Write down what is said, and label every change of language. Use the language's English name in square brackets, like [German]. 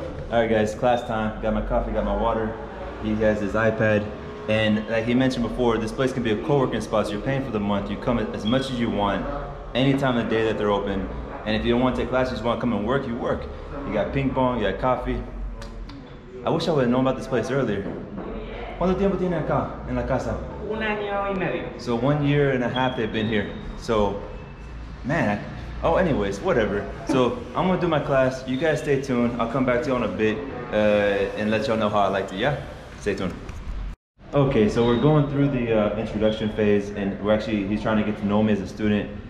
[English] All right, guys, class time. Got my coffee, got my water. He has his iPad. And like he mentioned before, this place can be a co-working spot. So you're paying for the month. You come as much as you want, any time of the day that they're open. And if you don't want to take classes, you just want to come and work, you work. You got ping pong, you got coffee. I wish I would have known about this place earlier. [Spanish] ¿Cuánto tiempo tiene acá, en la casa? Un año y medio. [English] So 1 year and a half they've been here. So, man, anyways, whatever. So I'm gonna do my class, you guys stay tuned. I'll come back to y'all in a bit and let y'all know how I liked it, yeah? Stay tuned. Okay, so we're going through the introduction phase and he's trying to get to know me as a student.